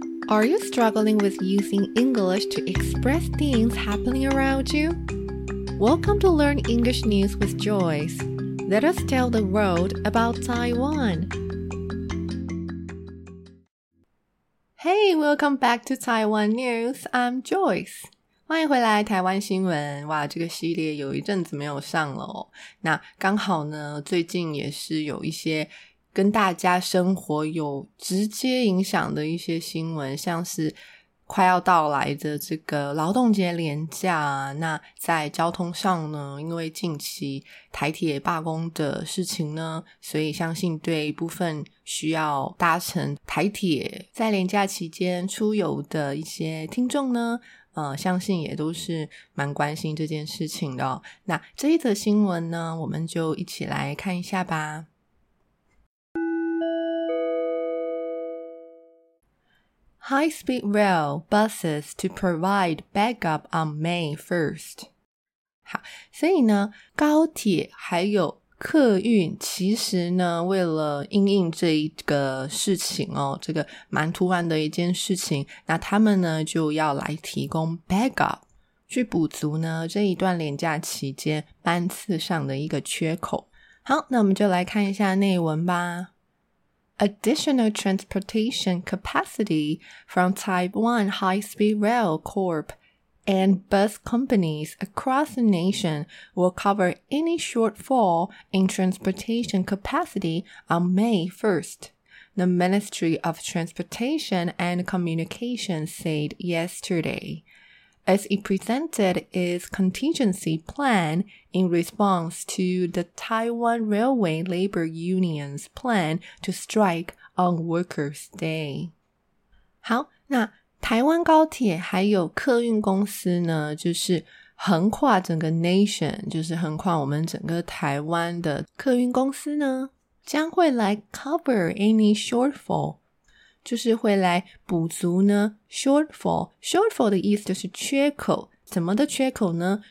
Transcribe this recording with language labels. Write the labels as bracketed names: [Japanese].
[English] Are you struggling with using English to express things happening around you? Welcome to Learn English News with Joyce. Let us tell the world about Taiwan. Hey, welcome back to Taiwan News. I'm Joyce. [Chinese] 欢迎回来台湾新闻。哇，这个系列有一阵子没有上了哦。那刚好呢，最近也是有一些跟大家生活有直接影响的一些新闻，像是快要到来的这个劳动节连假，那在交通上呢，因为近期台铁罢工的事情呢，所以相信对一部分需要搭乘台铁在连假期间出游的一些听众呢，相信也都是蛮关心这件事情的哦。那这一则新闻呢，我们就一起来看一下吧。 [English] High-speed rail buses to provide backup on May 1st. [Chinese] 好，所以呢，高铁还有客运其实呢，为了因应这一个事情哦，这个蛮突然的一件事情，那他们呢，就要来提供 backup， 去补足呢，这一段连假期间班次上的一个缺口。好，那我们就来看一下内文吧。 [English] Additional transportation capacity from Taiwan High-Speed Rail Corp and bus companies across the nation will cover any shortfall in transportation capacity on May 1st, the Ministry of Transportation and Communications said yesterday. As it presented its contingency plan in response to the Taiwan Railway Labor Union's plan to strike on Workers' Day. [Chinese] 好，那台湾高铁还有客运公司呢，就是横跨整个 nation， 就是横跨我们整个台湾的客运公司呢，将会来 [English] cover any shortfall。 [Chinese] 就是会来补足呢 shortfall， shortfall 的意思就是缺口，怎么的缺口呢？